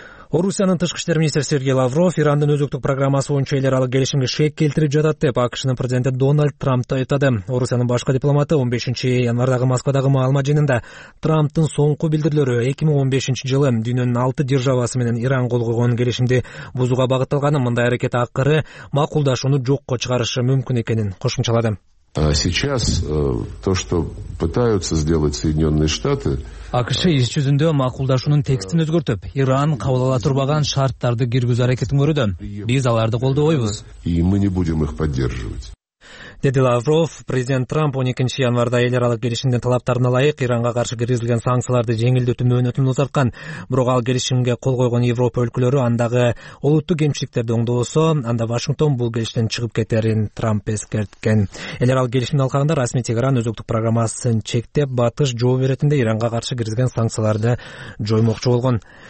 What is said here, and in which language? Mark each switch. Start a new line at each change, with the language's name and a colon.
Kyrgyz: Орусиянын тышкы иштер министри Сергей Лавров Ирандын өзөктүк программасы боюнча эл аралык келишимге шек келтирип жатат деп АКШнын президенти Дональд Трампты айтады. Орусиянын башкы дипломаты 15-январдагы Москвадагы маалымат жыйынында Трамптын соңку билдирүүлөрү 2015-жылы дүйнөнүн 6 державасы менен Иран кол койгон келишимди бузууга багытталганын, мындай аракет акыры макулдашууну жокко чыгарышы мүмкүн экенин кошумчалады.
Russian: Сейчас то, что пытаются сделать Соединенные Штаты...
Kyrgyz: АКШ иш жүзүндө макулдашуунун текстин өзгөртүп, Иран кабыл ала турбаган шарттарды киргизүү аракетин көрүүдө. Биз аларды колдобойбуз.
Russian: И мы не будем их поддерживать.
Kyrgyz: деди Лавров. Президент Трамп 12 январда эл аралык келишимдин талаптарына ылайык Иранга каршы киргизилген санкцияларды жеңилдетүү мөөнөтүн узарткан. Бирок ал келишимге кол койгон Европа өлкөлөрү андагы улуттуу кемчиликтерди оңдолсо, анда Вашингтон бул келишимден чыгып кетерин Трамп эскерткен. Эл аралык келишимди алканда расмий Тегеран өзөктүк программасын чектеп, батыш жооп беретинде Иранга каршы киргизилген санкцияларды жоймокчу болгон.